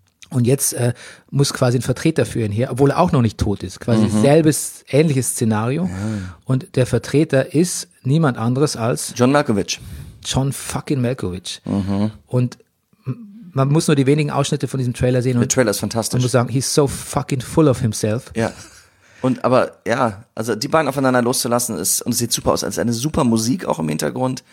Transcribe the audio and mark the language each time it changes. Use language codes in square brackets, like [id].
[de] Und jetzt muss quasi ein Vertreter für ihn her, obwohl er auch noch nicht tot ist. Quasi selbes, ähnliches Szenario. Ja. Und der Vertreter ist niemand anderes als John Malkovich. John fucking Malkovich. Und man muss nur die wenigen Ausschnitte von diesem Trailer sehen. Der Trailer ist fantastisch. Und muss sagen, [en] he's so fucking full of himself. [de] Ja. Und aber, ja, also die beiden aufeinander loszulassen ist, und es sieht super aus, als eine super Musik auch im Hintergrund.